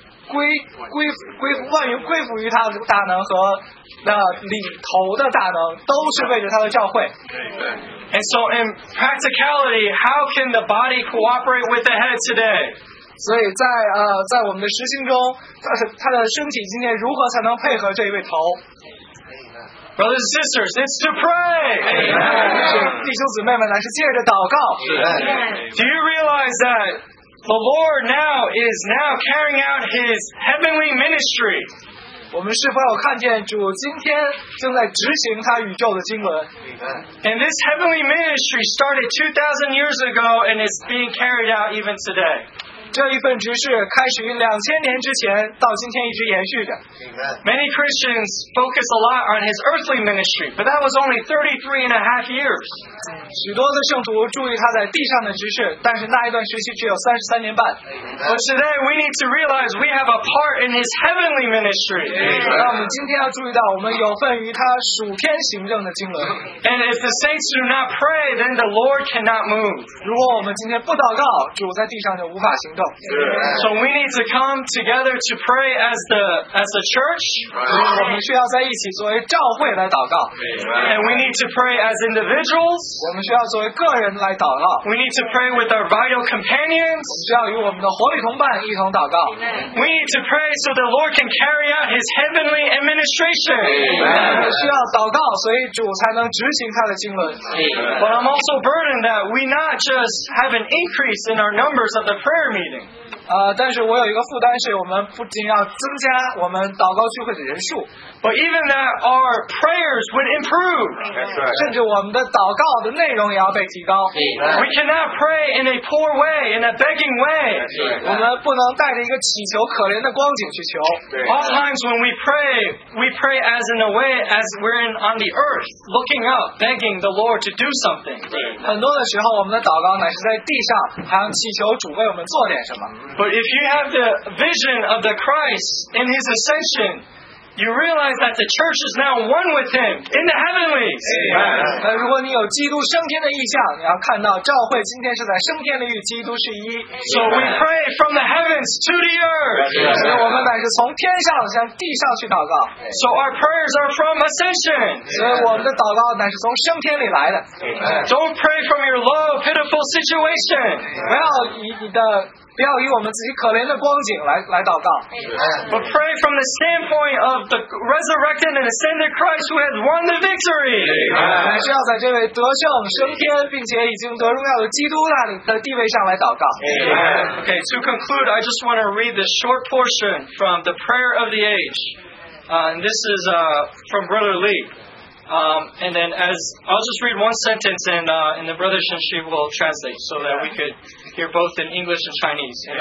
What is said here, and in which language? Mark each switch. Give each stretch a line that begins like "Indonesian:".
Chinese: 归附于他的大能和那里头的大能都是为着他的教会。
English: And so in practicality, how can the body cooperate with the head today?
Chinese: 所以在在我们的实行中，他的身体今天如何才能配合这一位头？
English: Brothers and sisters, it's to pray.
Chinese: 弟兄姊妹们呢，是借着祷告。
English: Do you realize that the Lord now is now carrying out His heavenly ministry?
Chinese: 我们是否有看见主今天正在执行他宇宙的经纶？
English: And this heavenly ministry started 2,000 years ago, and it's being carried out even today.
Chinese: 这一份执事开始于2000年之前，到今天一直延续着。
English: Many Christians focus a lot on his earthly ministry, but that was only 33 and a half years.
Chinese: 许多的圣徒注意他在地上的执事，但是那一段时期只有33年半。
English: But today we need to realize we have a part in his heavenly ministry.
Chinese: 那我们今天要注意到，我们有份于他属天行政的经纶。
English: And if the saints do not pray, then the Lord cannot move.
Chinese: 如果我们今天不祷告，主在地上就无法行动。
English: So we need to come together to pray as the church.
Chinese: 我们需要在一起作为教会来祷告。
English: And we need to pray as individuals.
Chinese: 我们需要作为个人来祷告。
English: We need to pray with our vital companions.
Chinese: 我们需要与我们的活力同伴一同祷告。
English: We need to pray so the Lord can carry out His heavenly administration.
Chinese: 我们需要祷告，所以主才能执行他的经纶。
English: But I'm also burdened that we not just have an increase in our numbers of the prayer meeting.
Chinese: 但是我有一个负担，是我们不仅要增加我们祷告聚会的人数。
English: But even that our prayers would improve.
Chinese: 甚至我们的祷告的内容也要被提高。
English: We cannot pray in a poor way, in a begging way.
Chinese: 我们不能带着一个乞求可怜的光景去求。
English: Oftentimes when we pray as in a way as we're in on the earth, looking up, begging the Lord to do something.
Chinese: 很多的时候我们的祷告乃是在地上，好像祈求主为我们做点什么。
English: But if you have the vision of the Christ in His ascension, you realize that the church is now one with Him in the heavenlies.
Chinese: 如果你有基督升天的意象，你要看到教会今天是在升天里与基督是一。
English: So we pray from the heavens to the earth.
Chinese: 所以我们乃是从天上向地上去祷告。
English: So our prayers are from ascension.
Chinese: 所以我们的祷告乃是从升天里来的。
English: Don't pray from your low, pitiful situation.
Chinese: 不要以你的不要以我们自己可怜的光景 来祷告。
English: But pray from the standpoint of the resurrected and ascended Christ who has won the victory.
Chinese: 乃是要在这位得胜升天并且已经得荣耀的基督那里的地位上来祷告。
English: Okay, to conclude, I just want to read this short portion from the Prayer of the Age. And this is from Brother Lee. And then as I'll just read one sentence and the Brother Shenshi will translate so that we could hear both in English and Chinese.